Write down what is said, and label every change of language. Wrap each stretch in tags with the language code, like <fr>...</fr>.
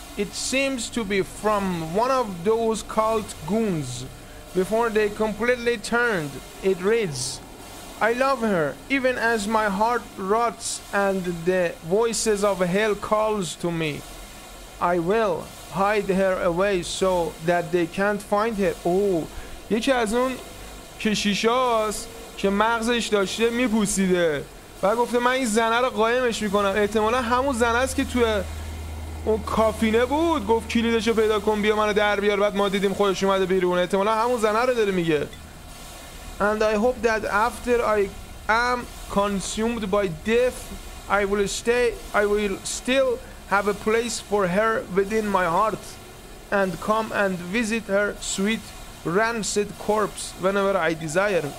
<en>It seems to be from one of those cult goons before they completely turned. It reads, I love her even as my heart rots and the voices of hell calls to me. I will hide her away so that they can't find her.</en> <fa>یکی از اون کشیشا هست که مغزش داشته میپوسیده و گفته من این زنه رو قایمش میکنم. احتمالا همون زنه است که توی اون کافینه بود گفت کلیدشو پیدا کن بیا منو در بیار. بعد ما دیدیم خودش اومده بیرون. احتمالا همون زنه رو داره میگه.</fa> <en>And I hope that after I am consumed by death I will still have a place for her within my heart and come and visit her sweet rancid corpse whenever I desire.</en>